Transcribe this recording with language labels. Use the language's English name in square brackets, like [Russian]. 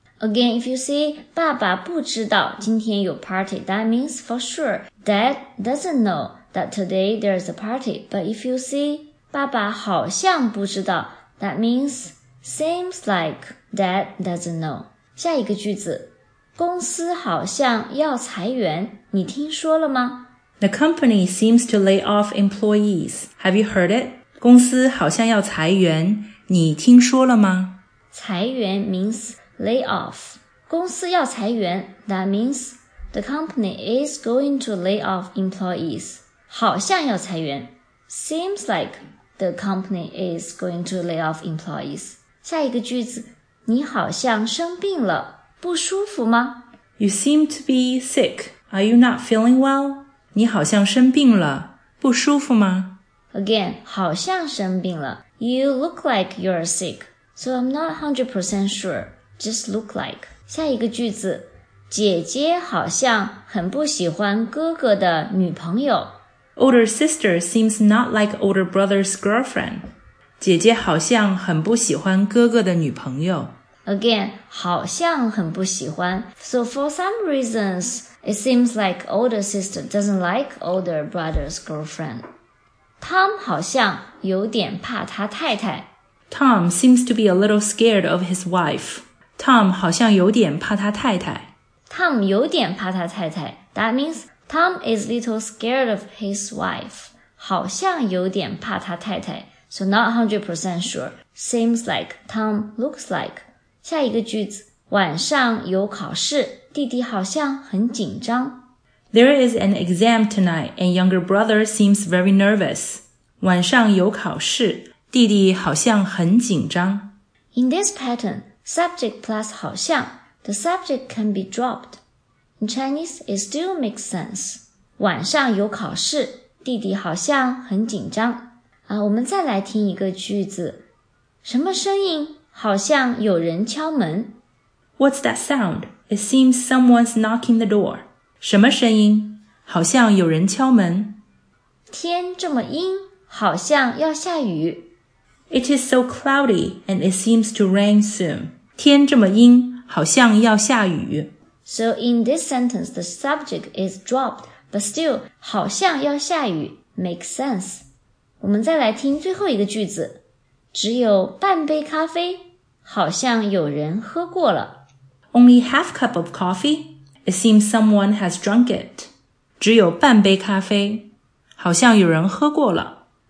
[English] Again, if you say [Chinese] 爸爸不知道今天有 party, [English] that means for sure Dad doesn't know that today there is a party. But if you say [Chinese] 爸爸好像不知道, [English] that means seems like Dad doesn't know. [Chinese] 下一个句子。公司好像要裁员，你听说了吗？ [English] The company seems to lay off employees. Have you heard it? [Chinese] 公司好像要裁员，你听说了吗？ [English] 裁员 means lay off. [Chinese] 公司要裁员， [English] that means the company is going to lay off employees. [Chinese] 好像要裁员， [English] seems like the company is going to lay off employees. [Chinese] 下一个句子，你好像生病了。不舒服吗? [English] You seem to be sick. Are you not feeling well? [Chinese] 你好像生病了。不舒服吗? [English] Again, [Chinese] 好像生病了。 [English] You look like you're sick. So I'm not 100% sure. Just look like. [Chinese] 下一个句子。姐姐好像很不喜欢哥哥的女朋友。 [English] Older sister seems not like older brother's girlfriend. [Chinese] 姐姐好像很不喜欢哥哥的女朋友。 [English] Again, [Chinese] 好像很不喜欢。 [English] So for some reasons, it seems like older sister doesn't like older brother's girlfriend. [Chinese] Tom 好像有点怕他太太。 [English] Tom seems to be a little scared of his wife. Tom [Chinese] 好像有点怕他太太。 Tom 有点怕他太太。 [English] That means Tom is a little scared of his wife. [Chinese] 好像有点怕他太太。 [English] So not 100% sure. Seems like Tom looks like. [Chinese] 下一个句子，晚上有考试，弟弟好像很紧张。 [English] There is an exam tonight, and younger brother seems very nervous. [Chinese] 晚上有考试，弟弟好像很紧张。 [English] In this pattern, subject plus 好像, the subject can be dropped. In Chinese, it still makes sense. [Chinese] 晚上有考试，弟弟好像很紧张。我们再来听一个句子，什么声音？好像有人敲门。 [English] What's that sound? It seems someone's knocking the door. [Chinese] 什么声音？好像有人敲门。天这么阴，好像要下雨。 [English] It is so cloudy, and it seems to rain soon. [Chinese] 天这么阴，好像要下雨。 [English] So in this sentence, the subject is dropped, but still, [Chinese] 好像要下雨 [English] makes sense. [Chinese] 我们再来听最后一个句子。只有半杯咖啡，好像有人喝过了。 [English] Only half cup of coffee? It seems someone has drunk it. [Chinese] 只有半杯咖啡，好像有人喝过了。